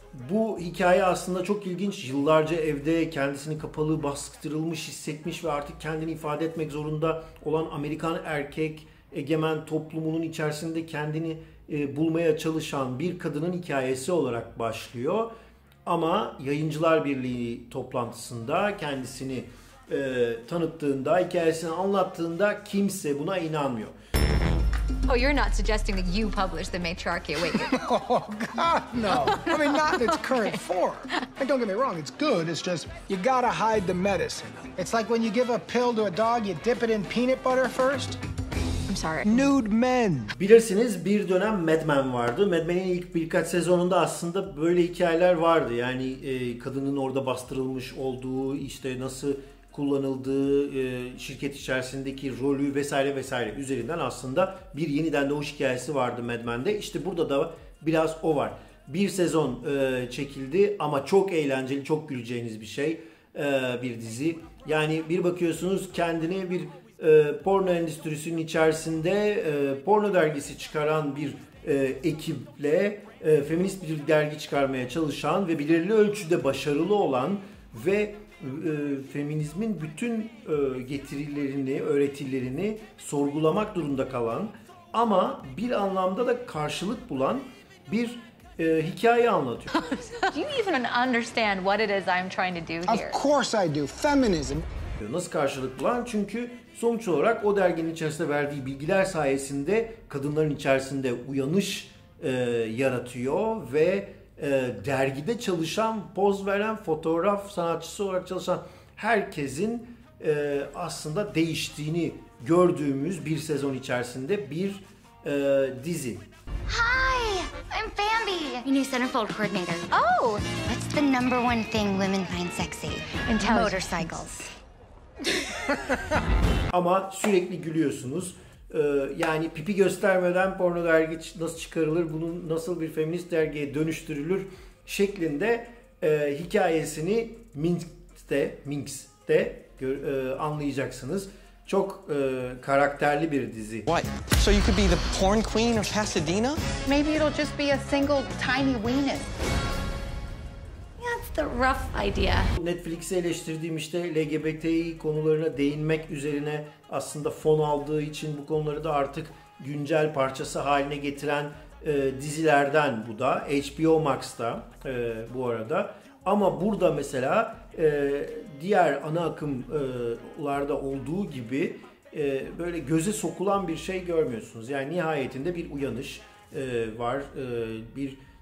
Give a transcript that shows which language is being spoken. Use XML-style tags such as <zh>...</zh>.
<tr>Bu hikaye aslında çok ilginç. Yıllarca evde kendisini kapalı, bastırılmış hissetmiş ve artık kendini ifade etmek zorunda olan Amerikan erkek egemen toplumunun içerisinde kendini bulmaya çalışan bir kadının hikayesi olarak başlıyor. Ama Yayıncılar Birliği toplantısında kendisini tanıttığında, hikayesini anlattığında kimse buna inanmıyor.</tr> <en>Oh, you're not suggesting that you publish The Matriarchy Awakening. Oh, God, no. I mean, not in its current form. And don't get me wrong, it's good. It's just, you gotta hide the medicine. It's like when you give a pill to a dog, you dip it in peanut butter first. Nude men.</en> <tr>Bilirsiniz bir dönem Mad Men vardı. Mad Men'in ilk birkaç sezonunda aslında böyle hikayeler vardı. Yani kadının orada bastırılmış olduğu, işte nasıl kullanıldığı, şirket içerisindeki rolü vesaire vesaire üzerinden aslında bir yeniden doğuş hikayesi vardı Mad Men'de. İşte burada da biraz o var. Bir sezon çekildi ama çok eğlenceli, çok güleceğiniz bir şey. Bir dizi. Yani bir bakıyorsunuz kendine bir porno endüstrisinin içerisinde porno dergisi çıkaran bir ekiple feminist bir dergi çıkarmaya çalışan ve belirli ölçüde başarılı olan ve feminizmin bütün getirilerini, öğretilerini sorgulamak durumunda kalan ama bir anlamda da karşılık bulan bir hikaye anlatıyor.</tr> <en>Do you even understand what it is I'm trying to do here? Of course I do. Feminism.</en> <tr>Nasıl karşılık bulan? Çünkü sonuç olarak o derginin içerisinde verdiği bilgiler sayesinde kadınların içerisinde uyanış yaratıyor ve dergide çalışan, poz veren, fotoğraf sanatçısı olarak çalışan herkesin aslında değiştiğini gördüğümüz bir sezon içerisinde bir dizi.</tr> <en>Hi, I'm Bambi. Your new centerfold coordinator. Oh, what's the number one thing women find sexy? Motorcycles.</en> <tr>Ama sürekli gülüyorsunuz. Yani pipi göstermeden porno dergi nasıl çıkarılır, bunun nasıl bir feminist dergiye dönüştürülür şeklinde hikayesini Minx'te anlayacaksınız. Çok karakterli bir dizi.</tr> <en>What? So you could be the porn queen of Pasadena? Maybe it'll just be a single tiny weenus. Rough idea.</en> <tr>Netflix'i eleştirdiğim işte LGBTİ konularına değinmek üzerine aslında fon aldığı için bu konuları da artık güncel parçası haline getiren dizilerden bu da. HBO Max'ta bu arada. Ama burada mesela diğer ana akımlarda olduğu gibi böyle göze sokulan bir şey görmüyorsunuz. Yani nihayetinde bir uyanış var. Bir</tr>